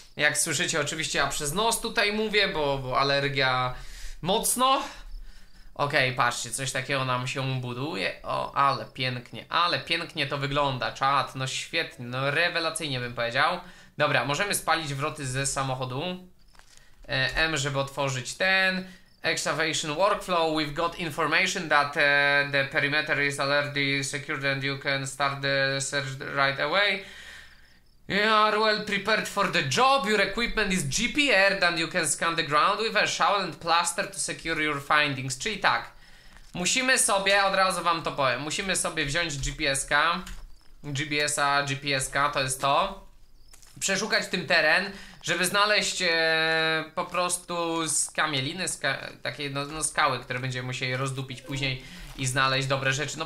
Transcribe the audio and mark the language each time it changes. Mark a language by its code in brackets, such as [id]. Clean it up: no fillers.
[pl] Jak słyszycie, oczywiście ja przez nos tutaj mówię, bo alergia mocno. Okej, okay, patrzcie, coś takiego nam się buduje. O, ale pięknie to wygląda. Czad, no świetnie, no rewelacyjnie bym powiedział. Dobra, możemy spalić wroty ze samochodu. M, żeby otworzyć ten. [en] Excavation workflow, we've got information that the perimeter is already secured and you can start the search right away. You are well prepared for the job, your equipment is GPR, then you can scan the ground with a shovel and plaster to secure your findings. [pl] Czyli tak, musimy sobie, od razu wam to powiem, musimy sobie wziąć GPS-ka, GPS-a, GPS-ka, to jest to, przeszukać tym teren, żeby znaleźć po prostu skamieliny, takie no, no skały, które będziemy musieli rozdupić później i znaleźć dobre rzeczy.